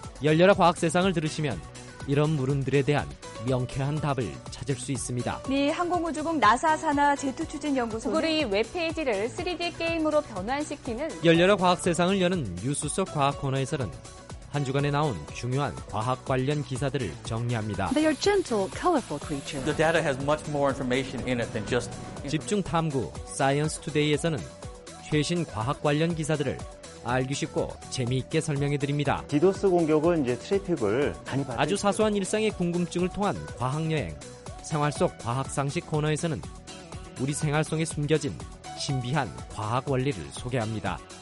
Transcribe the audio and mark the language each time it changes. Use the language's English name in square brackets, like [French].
[Korean] 열렬한 과학 세상을 들으시면 이런 물음들에 대한 명쾌한 답을 찾을 수 있습니다. 미 항공우주국 나사 산하 제트추진연구소는 구글의 웹페이지를 3D 게임으로 변환시키는 열렬한 과학 세상을 여는 뉴스 속 과학 코너에서는 한 주간에 나온 중요한 과학 관련 기사들을 정리합니다. [English] They are gentle, colorful creatures. The data has much more information in it than just [Korean] 집중 탐구 사이언스 투데이에서는 최신 과학 관련 기사들을 알기 쉽고 재미있게 설명해 드립니다. 디도스 공격은 이제 트래픽을 많이 받아 아주 사소한 일상의 궁금증을 통한 과학 여행, 생활 속 과학 상식 코너에서는 우리 생활 속에 숨겨진 신비한 과학 원리를 소개합니다.